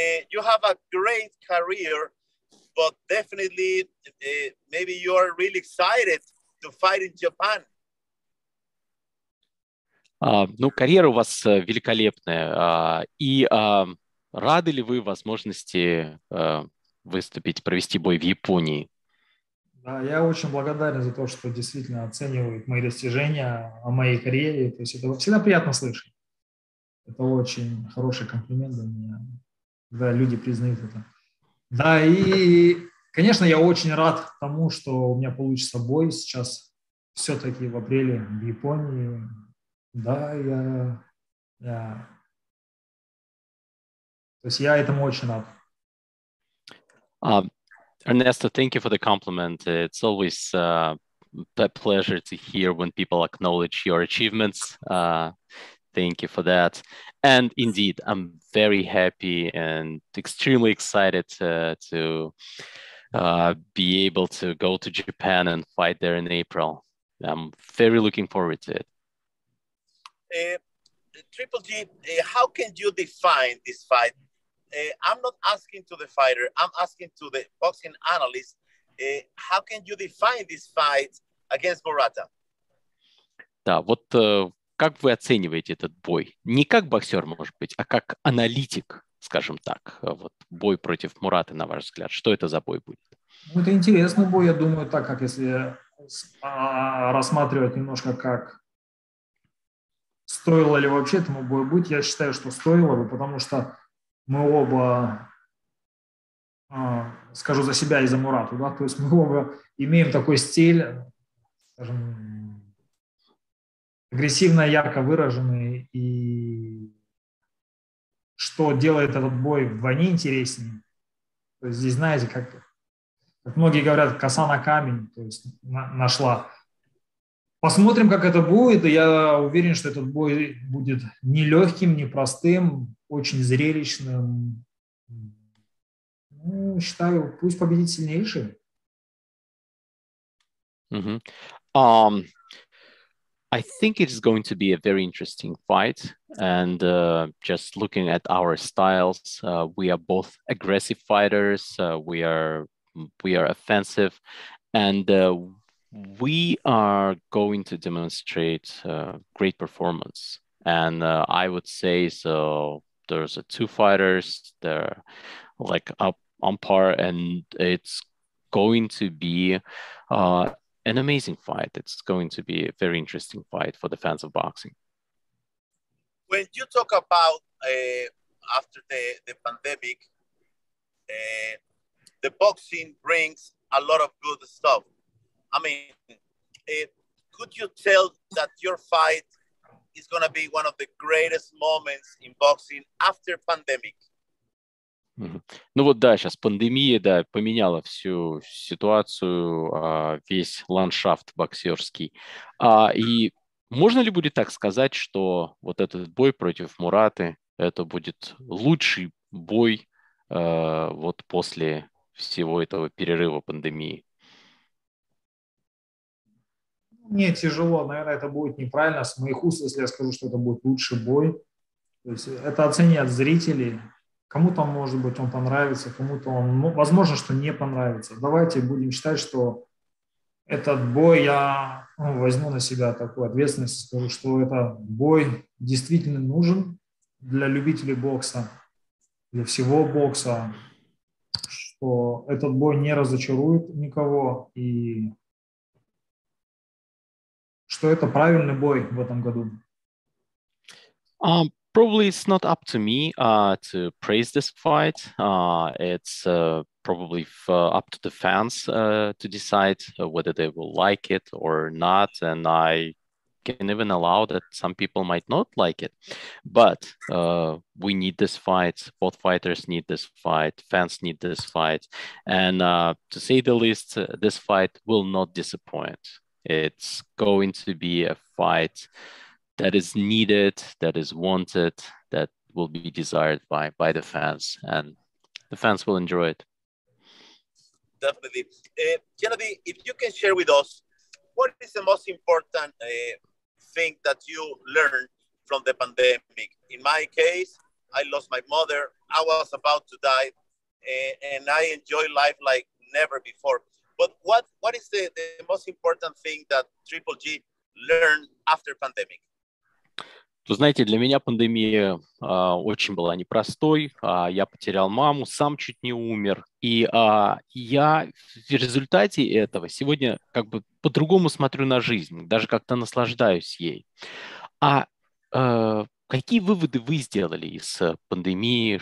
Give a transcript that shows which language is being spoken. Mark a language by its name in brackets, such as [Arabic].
[English] You have a great career, but definitely maybe you are really excited to fight in Japan. [Russian] Ну, карьера у вас великолепная. И рады ли вы возможности выступить, провести бой в Японии? Да, я очень благодарен за то, что действительно оценивают мои достижения о моей карьере. То есть это всегда приятно слышать. Это очень хороший комплимент для меня, когда люди признают это. Да, и, конечно, я очень рад тому, что у меня получится бой сейчас все-таки в апреле в Японии. Да, я... То есть я этому очень рад. [English] Ernesto, thank you for the compliment. It's always a pleasure to hear when people acknowledge your achievements. Thank you for that. And indeed, I'm very happy and extremely excited to be able to go to Japan and fight there in April. I'm very looking forward to it. Triple G, how can you define this fight? I'm not asking to the fighter, I'm asking to the boxing analyst, how can you define this fight against Murata? [Russian] Да, вот как вы оцениваете этот бой? Не как боксер, может быть, а как аналитик, скажем так. Вот бой против Мурата, на ваш взгляд, что это за бой будет? Ну, это интересный бой, я думаю, так как если рассматривать немножко как стоило ли вообще этому бою быть, я считаю, что стоило бы, потому что мы оба, скажу за себя и за Мурату, да, то есть мы оба имеем такой стиль, скажем, агрессивно ярко выраженный, и что делает этот бой вдвойне интереснее. То есть здесь, знаете, как многие говорят, коса на камень, то есть нашла. Посмотрим, как это будет, и я уверен, что этот бой будет нелегким, непростым, очень зрелищным. Ну, считаю, пусть победит сильнейший. Mm-hmm. [English] I think it's going to be a very interesting fight, and just looking at our styles, we are both aggressive fighters, we are offensive, and we are going to demonstrate great performance. And I would say so. There's two fighters, they're like up on par, and it's going to be an amazing fight. It's going to be a very interesting fight for the fans of boxing. When you talk about after the pandemic, the boxing brings a lot of good stuff. I mean, could you tell that your fight is going to be one of the greatest moments in boxing after pandemic? [Russian] Ну вот да, сейчас пандемия, да, поменяла всю ситуацию, весь ландшафт боксерский. И можно ли будет так сказать, что вот этот бой против Мураты, это будет лучший бой вот после всего этого перерыва пандемии? Мне тяжело, наверное, это будет неправильно с моих уст, если я скажу, что это будет лучший бой. То есть это оценят зрители. Кому-то, может быть, он понравится, кому-то он, возможно, что не понравится. Давайте будем считать, что этот бой, я возьму на себя такую ответственность, скажу, что этот бой действительно нужен для любителей бокса, для всего бокса, что этот бой не разочарует никого и что это правильный бой в этом году. [English] Probably it's not up to me to praise this fight. It's probably up to the fans to decide whether they will like it or not. And I can even allow that some people might not like it. But we need this fight. Both fighters need this fight. Fans need this fight. And to say the least, this fight will not disappoint. It's going to be a fight that is needed, that is wanted, that will be desired by the fans, and the fans will enjoy it. Definitely. Gennady, if you can share with us, what is the most important thing that you learned from the pandemic? In my case, I lost my mother. I was about to die, and I enjoy life like never before. But what is the most important thing that Triple G learned after pandemic? [Russian] Вы знаете, для меня пандемия очень была непростой. Я потерял маму, сам чуть не умер. И я в результате этого сегодня как бы по-другому смотрю на жизнь, даже как-то наслаждаюсь ей. А какие выводы вы сделали из пандемии?